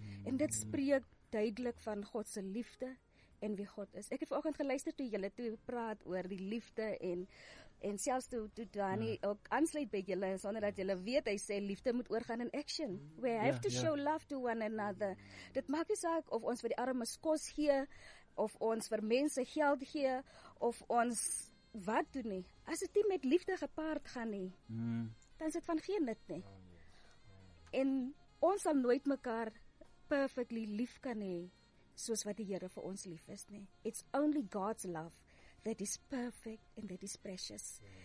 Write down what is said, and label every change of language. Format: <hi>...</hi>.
<af>En dit spreek duidelik van God se liefde, en wie God is. Ek het vanoggend geluister toe julle toe praat oor die liefde, en selfs toe Dani ook aansluit by julle, sonder dat julle weet, hy sê liefde moet oorgaan in action.</af> <en>We have to show love to one another.</en> <af>Dit maak nie saak of ons vir die armes kos gee, of ons vir mense geld gee, of ons wat doen nie. As het nie met liefde gepaard gaan nie, dan is het van geen nut nie. En ons sal nooit mekaar perfectly lief kan hê, soos wat die Here vir ons lief is nie.</af> <en>It's only God's love that is perfect and that is precious.</en>